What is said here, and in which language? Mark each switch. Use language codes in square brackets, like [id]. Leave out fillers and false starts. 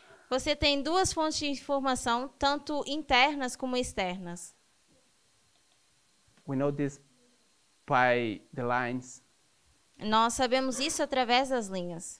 [pt] Você tem duas fontes de informação, tanto internas como externas. [en] We know this by the lines. [pt] Nós sabemos isso através das linhas.